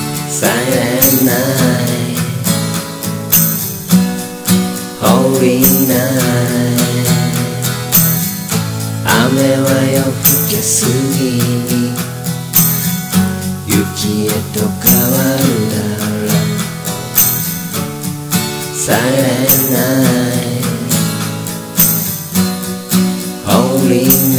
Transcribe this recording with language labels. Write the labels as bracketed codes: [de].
[en] Silent night,Holy night. [ja] 雨は夜更け過ぎに雪へと変わるだろう。 [en] Silent night, Holy night.